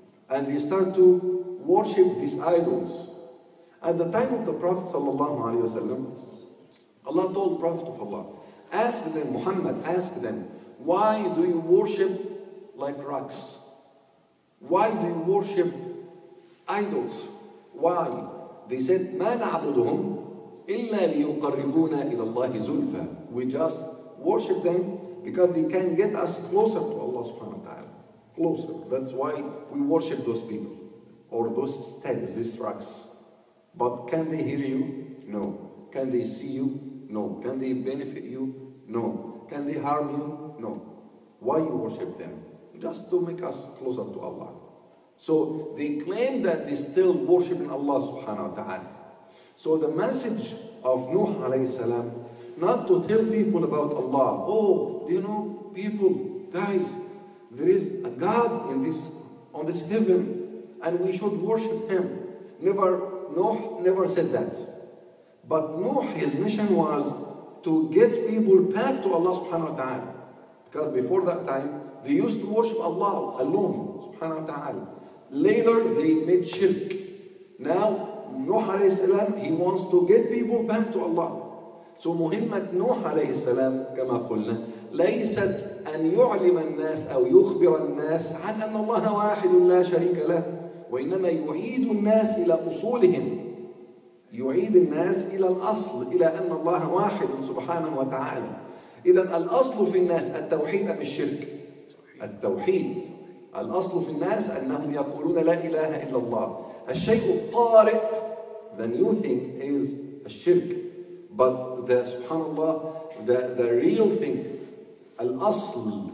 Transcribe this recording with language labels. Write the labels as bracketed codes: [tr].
[en] And they start to worship these idols. At the time of the Prophet wasallam, Allah told Prophet of Allah, ask them, Muhammad, ask them, why do you worship like rocks? Why do you worship idols? Why? They said, [ar] مَا نَعْبُدُهُمْ إِلَّا لِيُقَرِّبُونَ إِلَى اللَّهِ زُلْفًا. [en] We just worship them because they can get us closer to Allah subhanahu wa ta'ala. Closer. That's why we worship those people. Or those statues, these rocks. But can they hear you? No. Can they see you? No. Can they benefit you? No. Can they harm you? No. Why you worship them? Just to make us closer to Allah. So they claim that they still worship in Allah subhanahu wa ta'ala. So the message of Nuh alayhi salam, not to tell people about Allah. Oh, do you know, people, guys, there is a God in this, on this heaven, and we should worship him. Nuh never said that. But Nuh, his mission was to get people back to Allah subhanahu wa ta'ala. Because before that time, they used to worship Allah alone subhanahu wa ta'ala. Later, they made shirk. Now, Nuh alayhi salam, he wants to get people back to Allah. So, [ar] Muhammad Nuh alayhi salam, كما قلنا, ليست أن يعلم الناس أو يخبر الناس عن أن الله واحد لا شريك له. وإنما يعيد الناس إلى أصولهم. يعيد الناس إلى الأصل, إلى أن الله واحد سبحانه وتعالى. إذا الأصل في الناس التوحيد أم الشرك؟ التوحيد. الأصل في الناس أنهم يقولون لا إله إلا الله. الشيء الطارئ, [en] the new thing is [ar] الشرك. [en] But the, [ar] سبحان الله, [en] the real thing, [ar] الأصل